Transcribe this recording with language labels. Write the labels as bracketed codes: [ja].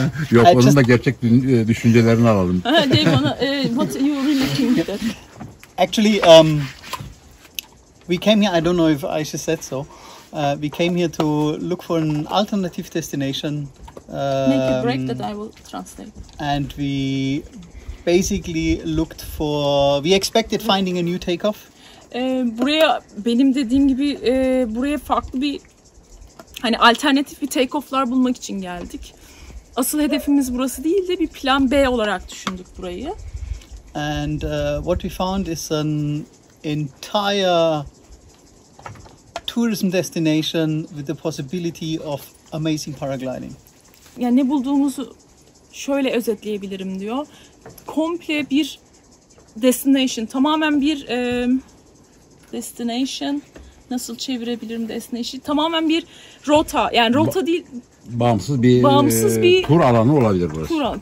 [tr] yok, onun da gerçek düşüncelerini alalım. [en] What you really think that? Actually, we came here. I don't know if Aisha said so. We came here to look for an alternative destination. Make a break that I will translate. And we basically looked for, we expected finding a new takeoff. [tr] Buraya benim dediğim gibi buraya farklı bir, hani alternatif bir takeoff'lar bulmak için geldik. Asıl hedefimiz burası değil de bir plan B olarak düşündük burayı. [en] And what we found is an entire tourism destination with the possibility of amazing paragliding. [tr] Yani ne bulduğumuzu şöyle özetleyebilirim diyor. Komple bir destination, tamamen bir destination, nasıl çevirebilirim destination? Tamamen bir rota, yani rota değil. Bağımsız bir tur alanı olabilir burası.